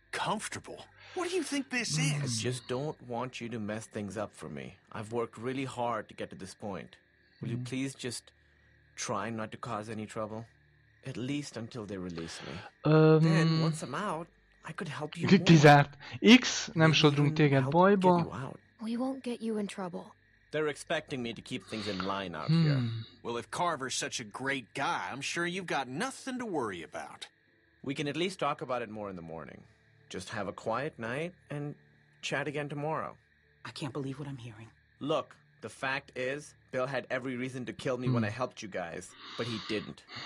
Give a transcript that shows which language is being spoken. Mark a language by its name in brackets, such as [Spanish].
[English] Comfortable? What do you think this is? I just don't want you to mess things up for me. I've worked really hard to get to this point. Will you please just try not to cause any trouble? At least until they release me. Then, once I'm out, I could help you more. [Hungarian] Kizárt. X, nem sodrunk téged bajba. [English] We won't get you in trouble. They're expecting me to keep things in line out here. Well, if Carver's such a great guy, I'm sure you've got nothing to worry about. We can at least talk about it more in the morning. Just have a quiet night and chat again tomorrow. I can't believe what I'm hearing. Look, the fact is, Bill had every reason to kill me when I helped you guys, but he didn't.